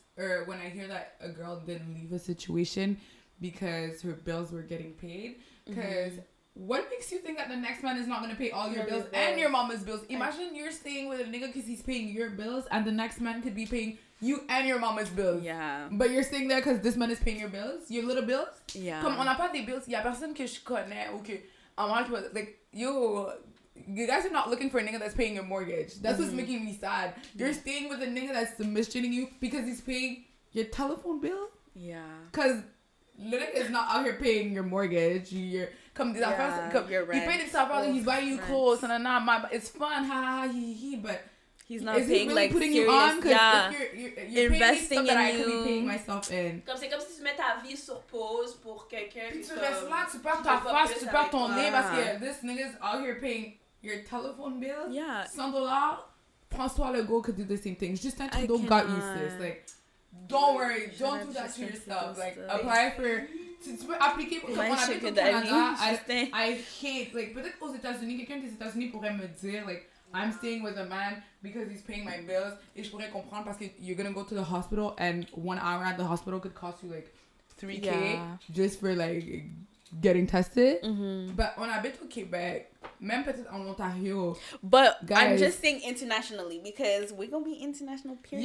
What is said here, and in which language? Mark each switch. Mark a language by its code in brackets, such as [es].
[en] Or when I hear that a girl didn't leave a situation because her bills were getting paid. Because what makes you think that the next man is not going to pay all your bills and your mama's bills? Imagine you're staying with a nigga because he's paying your bills and the next man could be paying... You and your mama's bills. Yeah. But you're staying there because this man is paying your bills? Your little bills? Yeah. [fr] Comme on n'a pas des bills. Il n'y a personne que je connais ou que... [en] I'm not sure. Like, you guys are not looking for a nigga that's paying your mortgage. That's what's making me sad. You're staying with a nigga that's mistreating you because he's paying your telephone bill? Yeah. Because Lilik is not out here paying your mortgage. [fr] You're... Comme des affaires... Comme, [en] your rent. He paid himself out and he's buying you clothes. And nah, my, it's fun. Ha, ha, ha, he, he. But... He's not is paying, he really like, putting serious, you on? Yeah. You're investing in you. You're paying me stuff that I could be paying myself in. [fr] Comme si tu mets ta vie sur pause pour quelqu'un. Puis tu restes là, tu perds ta face, tu perds ton nez parce que [en] this nigga's out here paying your telephone bill. Yeah. $100, François Legault could do the same thing. Justin Trudeau got you, sis. Like, don't worry. Don't do that to yourself. Like, apply for... [fr] Tu peux appliquer pour comme on appelle au Canada. [en] I hate... Like, [fr] peut-être aux États-Unis, quelqu'un des États-Unis pourrait me dire, like, [en] I'm staying with a man because he's paying my bills. [fr] Et je pourrais comprendre parce que [en] you're going to go to the hospital and 1 hour at the hospital could cost you like 3K just for like getting tested. [fr] Mm-hmm. But on habite au Québec, même peut-être en Ontario. [en] But guys, I'm just saying internationally because we're going to be international period.